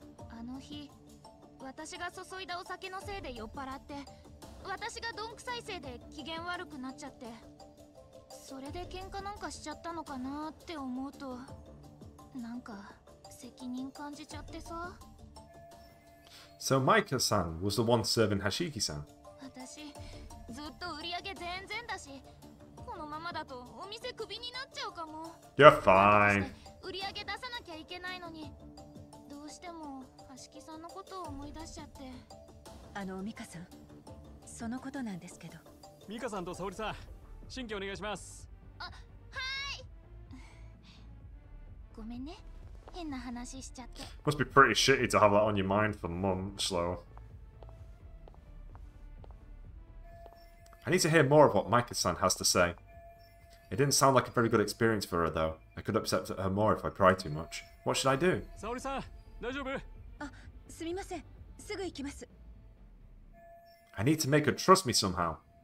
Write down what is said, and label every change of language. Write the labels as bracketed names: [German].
[Japanese] あの日、私が注いだお酒のせいで酔っ払って、私がどんくさいせいで機嫌悪くなっちゃって、それで喧嘩なんかしちゃったのかなって思うと、なんか責任感じちゃってさ。 [English] So Micah-san was the one serving Hashiki-san. [Japanese] 私ずっと売り上げ全然だし、このままだとお店クビになっちゃうかも。 [English] You're fine. [Japanese] 売り上げ出さなきゃいけないのに、どうしてもハシキさんのことを思い出しちゃって。あの、ミカさん、そのことなんですけど。ミカさんとサオリさん、新規お願いします。あ、はい。ごめんね、変な話しちゃって。 [English] Must be pretty shitty to have that on your mind for months though. I need to hear more of what Micah-san has to say. It didn't sound like a very good experience for her though. I could upset her more if I cry too much. What should I do? [Japanese] サオリさん、大丈夫？あ、すみません、すぐ行きます。 [English] I need to make her trust me somehow.